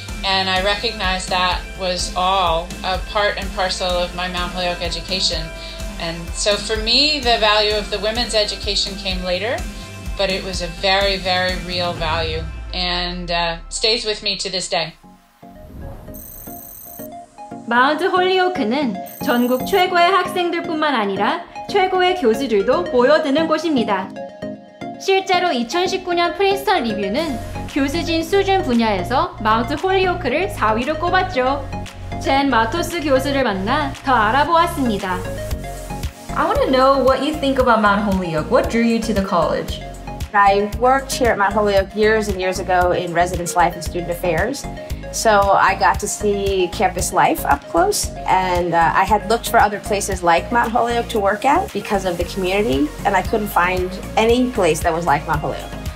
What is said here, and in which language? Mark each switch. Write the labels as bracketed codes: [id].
[en] And I recognized that was all a part and parcel of my Mount Holyoke education. And so for me, the value of the women's education came later, but it was a very, very real value and stays with me to this day. [ko] Mount Holyoke는 전국 최고의 학생들뿐만 아니라 최고의 교수들도 모여드는 곳입니다. 실제로 2019년 프린스턴 리뷰는 교수진 수준 분야에서 마운트 홀리오크를 4위로 꼽았죠. 젠 마토스 교수를 만나 더 알아보았습니다. [en] I want to know what you think about Mount Holyoke. What drew you to the college? I worked here at Mount Holyoke years and years ago in residence life and student affairs. So I got to see campus life up close, and I had looked for other places like Mount Holyoke to work at because of the community, and I couldn't find any place that was like Mount Holyoke.